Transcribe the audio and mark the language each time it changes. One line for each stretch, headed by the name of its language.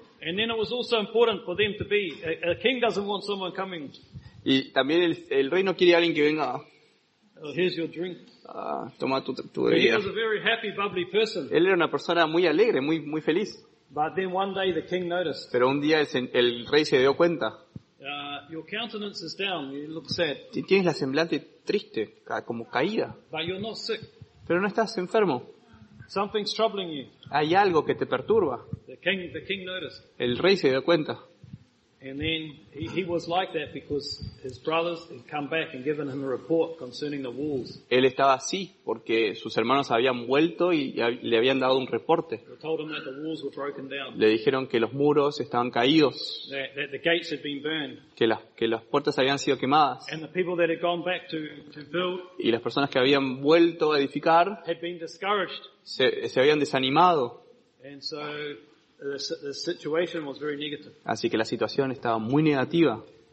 English: And then it was also important for them to be. A king doesn't want someone coming.
Spanish: Y también el rey no quiere a alguien que venga.
English: Oh, here's your drink.
Spanish: Toma tu bebida.
English: He was a very happy, bubbly person.
Spanish: Él era una persona muy alegre, muy muy feliz.
English: But then one day the king noticed.
Spanish: Pero un día el rey se dio cuenta.
English: Your countenance is down. You look sad.
Spanish: Tienes la semblante triste, como caída.
English: But you're not sick.
Spanish: Pero no estás enfermo.
English: Something's troubling you.
Spanish: Hay algo que te perturba.
English: The king noticed.
Spanish: El rey se dio cuenta.
English: And then he was like that because his brothers had come back and given him a report concerning the walls.
Spanish: Él estaba así porque sus hermanos habían vuelto y le habían dado un reporte.
English: They told him that the walls were broken down.
Spanish: Le dijeron que los muros estaban caídos.
English: That the gates had been burned.
Spanish: Que las puertas habían sido quemadas.
English: And the people that had gone back to build,
Spanish: y las personas que habían vuelto a edificar,
English: had been discouraged.
Spanish: Se habían desanimado.
English: And so the situation was very negative.
Spanish: Así que la situación estaba muy negativa.